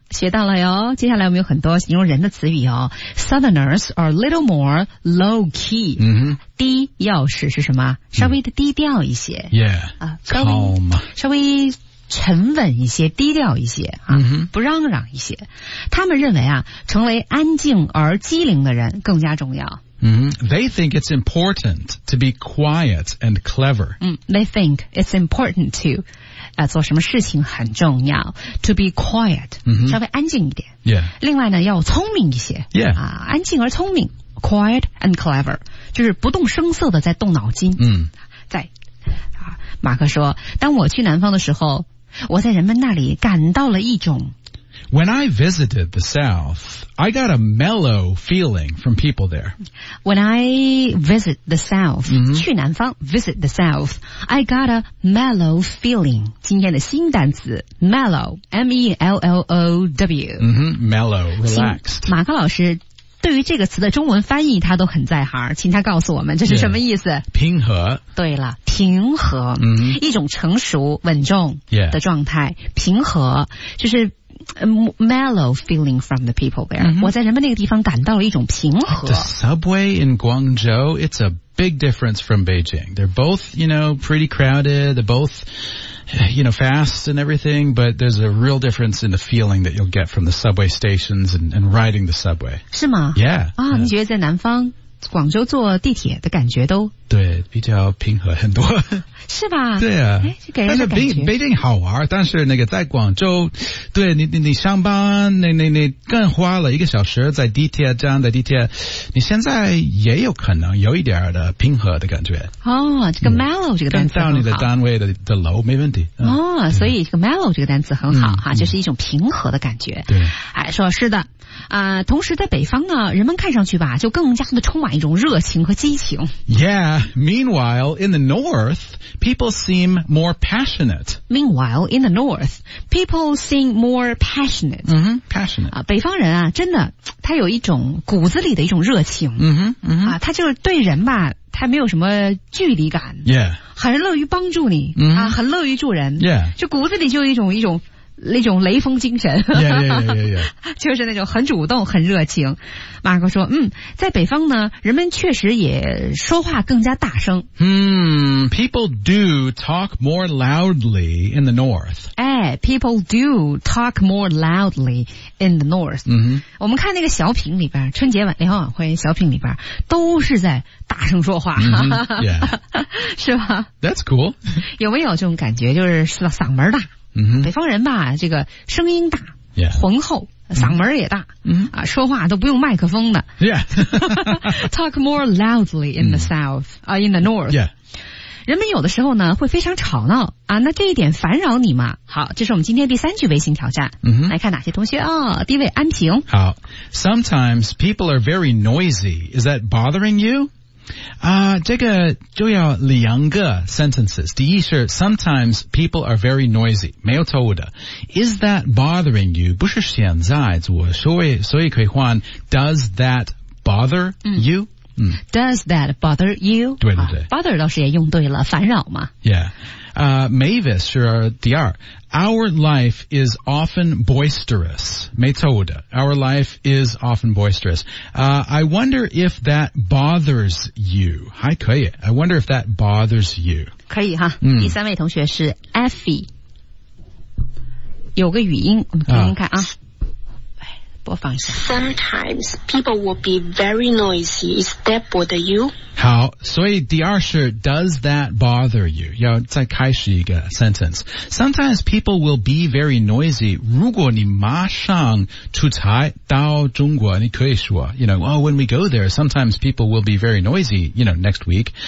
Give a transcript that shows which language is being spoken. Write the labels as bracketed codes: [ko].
[zh] 学到了哟接下来我们有很多形容人的词语哦 [en] southerners are a little more low key 嗯、mm-hmm. [zh] 低调是什么稍微的低调一些、 [en] mm. Yeah、Calm [zh] 稍微沉稳一些低调一些、啊 mm-hmm. 不嚷嚷一些他们认为啊成为安静而机灵的人更加重要、 mm-hmm. [en] They think it's important to be quiet and clever、 They think it's important to、 [zh] 做什么事情很重要 [en] To be quiet、 mm-hmm. [zh] 稍微安静一点、 yeah. 另外呢要聪明一些、 yeah. 啊、安静而聪明 [en] Quiet and clever [zh] 就是不动声色的在动脑筋。嗯，在啊，马克说，当我去南方的时候，我在人们那里感到了一种。 [en] When I visited the South, I got a mellow feeling from people there. When I visit the South,、 mm-hmm. [zh] 去南方 [en] visit the South, I got a mellow feeling. [zh] 今天的新单词 mellow, M-E-L-L-O-W,、 [en] mm-hmm. mellow, relaxed. [zh] 马克老师。对于这个词的中文翻译他都很在行请他告诉我们这是什么意思 yeah, 平和对了平和、 mm-hmm. 一种成熟稳重的状态、 yeah. 平和就是 [en] mellow feeling from the people there、 mm-hmm. [zh] 我在人们那个地方感到了一种平和 [en] The subway in Guangzhou it's a big difference from Beijing they're both you know pretty crowded they're both you know fast and everything but there's a real difference in the feeling that you'll get from the subway stations and riding the subway [zh] 是吗 yeah 啊、哦、你觉得在南方广州坐地铁的感觉都对比较平和很多是吧对啊但是北京好玩但是那个在广州对你上班你更花了一个小时在地铁站在地铁你现在也有可能有一点的平和的感觉哦这个 mellow 这个单词很好跟到你的单位 的楼没问题、哦所以这个 mellow 这个单词很好、就是一种平和的感觉对哎说是的同时在北方呢人们看上去吧就更加的充满一种热情和激情 [en] Yeah, meanwhile, in the north, people seem more passionate Meanwhile, in the north, people seem more passionate、 mm-hmm, Passionate [zh] 北方人啊真的他有一种骨子里的一种热情、 mm-hmm, mm-hmm. 他就是对人吧他没有什么距离感 Yeah 很乐于帮助你、 mm-hmm. 很乐于助人 Yeah 就骨子里就一种那种雷锋精神 yeah. 就是那种很主动很热情马克说在北方呢人们确实也说话更加大声 [en] People do talk more loudly in the north 哎 yeah, people do talk more loudly in the north. 嗯， [zh] 我们看那个小品里边，春节晚联欢晚会小品里边都是在大声说话， mm-hmm. yeah. 是吧 [en] ？That's cool. [zh] 有没有这种感觉？就是嗓门大。嗯、mm-hmm. ，北方人吧，这个声音大， yeah. 浑厚。嗓门也大、嗯啊、说话都不用麦克风的。 Yeah. [en] Talk more loudly in the south,、嗯 in the north.、 Yeah. [zh] 人们有的时候呢会非常吵闹啊，那这一点烦扰你吗？好，这是我们今天第三句微信挑战。嗯哼，来看哪些同学啊、哦、第一位安平。 [en] 好， sometimes people are very noisy. Is that bothering you? [zh] 这个就要两个 sentences. 第一是 [en] sometimes people are very noisy. [zh] 没有错误的。 [en] Is that bothering you? [zh] 不是现在我所以可以换 [en] does that bother you?、嗯嗯、does that bother you? [zh] 对对对、啊。Bother 倒是也用对了烦扰嘛。 Yeah. [en] Mavis 是第二 Our life is often boisterous [zh] 没错误的 [en] Our life is often boisterous、I wonder if that bothers you [zh] 还可以 [en] I wonder if that bothers you [zh] 可以哈、嗯、第三位同学是 Effie 有个语音我们听听看 啊播放一下 [en] Sometimes people will be very noisy Is that bother you? [zh] 好，所以第二是 [en] does that bother you? [zh] 要再开始一个 [en] sentence. Sometimes people will be very noisy. [zh] 如果你马上出差到中国，你可以说 [en] you know, oh, when we go there, sometimes people will be very noisy, you know, next week.